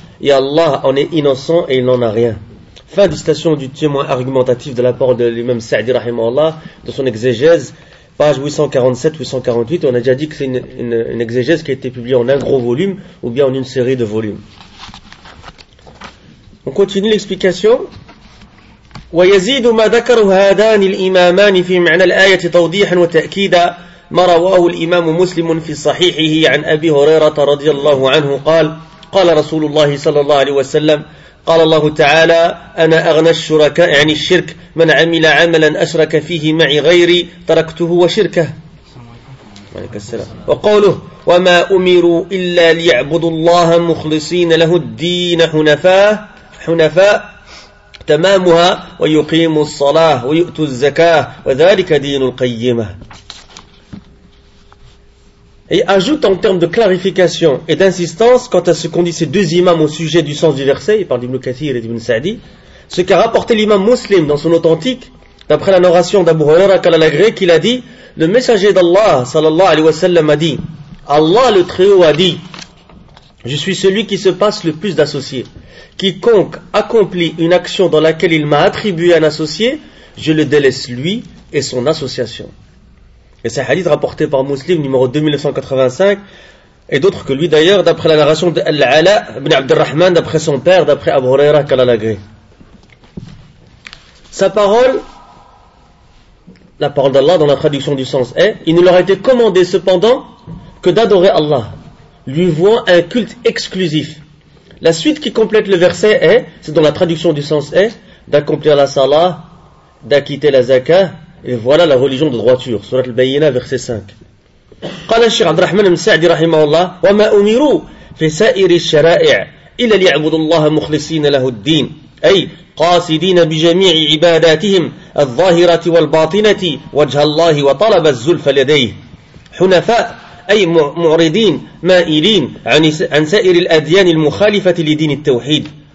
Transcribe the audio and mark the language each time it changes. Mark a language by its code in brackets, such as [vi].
[fr] Et Allah en est innocent et il n'en a rien. Fin de citation du témoin argumentatif de la parole de l'imam Sa'di rahimahullah de son exégèse, page 847-848. On a déjà dit que c'est une exégèse qui a été publiée en un gros volume ou bien en une série de volumes. On continue l'explication. [ar] ويزيد ما ذكره هذان الإمامان في معنى الآية توضيحا وتأكيدا ما رواه الإمام مسلم في صحيحه عن أبي هريرة رضي الله عنه قال قال رسول الله صلى الله عليه وسلم قال الله تعالى أنا أغنى الشركاء عن الشرك من عمل عملا أشرك فيه معي غيري تركته وشركه وقوله وما أمروا إلا ليعبدوا الله مخلصين له الدين حنفاء تمامها ويقيموا الصلاة ويؤتوا الزكاة وذلك دين القيمة. [fr] Et ajoute en termes de clarification et d'insistance quant à ce qu'ont dit ces deux imams au sujet du sens du verset, il parle d'Ibn Kathir et d'Ibn Sa'di, ce qu'a rapporté l'imam muslim dans son authentique, D'après la narration d'Abu Huraira qu'Allah l'agrée, qu'il a dit, le messager d'Allah, [ar] sallallahu alayhi wa sallam, [fr] a dit, Allah le Très-Haut a dit, je suis celui qui se passe le plus d'associés. Quiconque accomplit une action dans laquelle il m'a attribué un associé, je le délaisse lui et son association. Et c'est un hadith rapporté par Muslim, numéro 2985, et d'autres que lui d'ailleurs, d'après la narration d'Al-Ala ibn Abdurrahman, d'après son père, d'après Abu Huraira, qu'Allah l'agrée. Sa parole, la parole d'Allah dans la traduction du sens est, il ne leur a été commandé cependant que d'adorer Allah, lui vouant un culte exclusif. La suite qui complète le verset est, c'est dans la traduction du sens est, d'accomplir la salah, d'acquitter la zakah, et voilà la religion de droiture. Surat al-Bayyina, verset 5. [ar] قال الشيخ عبد الرحمن بن سعدي رحمه الله وما أمروا في سائر الشرائع إلا ليعبدوا الله مخلصين له الدين أي قاصدين بجميع عباداتهم الظاهرة والباطنة وجه الله وطلب الزلف لديه حنفاء أي معرضين مائلين عن سائر الأديان المخالفة لدين التوحيد